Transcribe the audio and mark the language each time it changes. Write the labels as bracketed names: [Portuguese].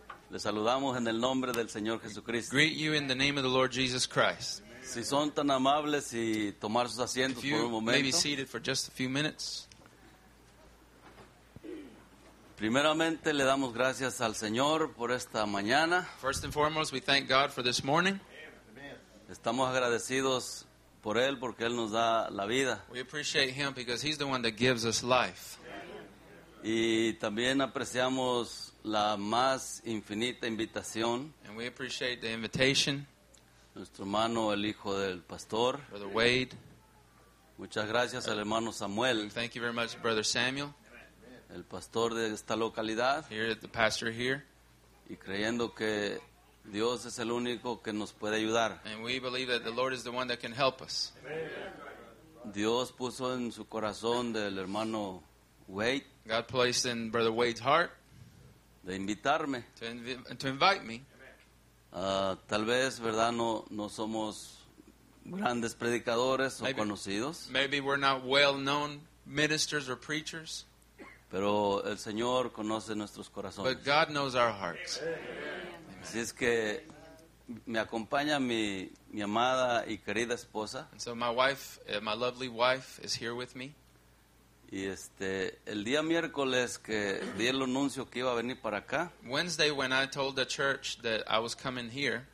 [Spanish] Les saludamos en el nombre del Señor Jesucristo. [English] Greet you in the name of the Lord Jesus Christ. [Spanish] Si son tan amables y tomar sus asientos por un momento. [English] If you may be seated for just a few minutes. [Spanish] Primeramente, le damos gracias al Señor por esta mañana. [English] First and foremost, we thank God for this morning. [Spanish] Estamos agradecidos por Él porque Él nos da la vida. [English] We appreciate Him because He's the one that gives us life. [Spanish] Y también apreciamos la más infinita invitación. [English] And we appreciate the invitation. [Spanish] Nuestro hermano, el hijo del pastor. [English] Brother Wade. [Spanish] Muchas gracias al hermano Samuel. [English] Thank you very much, Brother Samuel. [Spanish] El pastor de esta localidad. [English] Here, the pastor here. [Spanish] Y creyendo que Dios es el único que nos puede ayudar. [English] And we believe that the Lord is the one that can help us. [Spanish] Dios puso en su corazón del hermano Wade. [English] God placed in Brother Wade's heart [Spanish] de invitarme. [English] To invite me. [Spanish] Tal vez, verdad, no somos grandes predicadores o conocidos. [English] Maybe we're not well-known ministers or preachers. [Spanish] Pero el Señor conoce nuestros corazones. [English] But God knows our hearts. Amen. [Spanish] Así es que me acompaña mi amada y querida esposa. [English] And so my wife, my lovely wife, is here with me. [Spanish] Y el día miércoles que di el anuncio que iba a venir para acá. [English] Wednesday when I told the church that I was coming here.